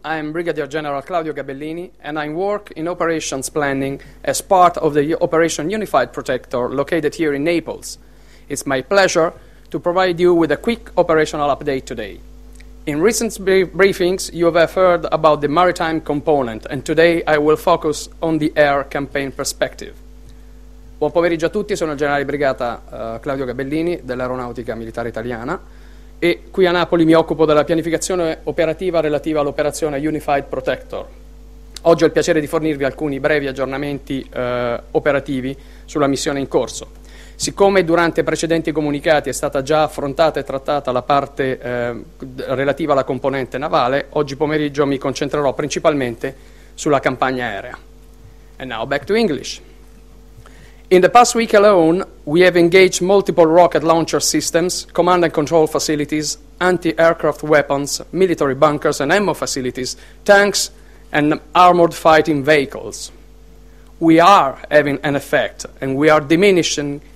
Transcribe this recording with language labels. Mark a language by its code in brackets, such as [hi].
[en] I am Brigadier General Claudio Gabellini, and I work in operations planning as part of the Operation Unified Protector located here in Naples. It's my pleasure to provide you with a quick operational update today. In recent briefings, you have heard about the maritime component, and today I will focus on the air campaign perspective. [it] Buon pomeriggio a tutti, sono il generale brigata Claudio Gabellini dell'Aeronautica Militare Italiana e qui a Napoli mi occupo della pianificazione operativa relativa all'operazione Unified Protector. Oggi ho il piacere di fornirvi alcuni brevi aggiornamenti operativi sulla missione in corso. Siccome durante precedenti comunicati è stata già affrontata e trattata la parte relativa alla componente navale, oggi pomeriggio mi concentrerò principalmente sulla campagna aerea. [en] And now back to English. In the past week alone, we have engaged multiple rocket launcher systems, command and control facilities, anti-aircraft weapons, military bunkers and ammo facilities, tanks and armored fighting vehicles. We are having an effect and we are diminishing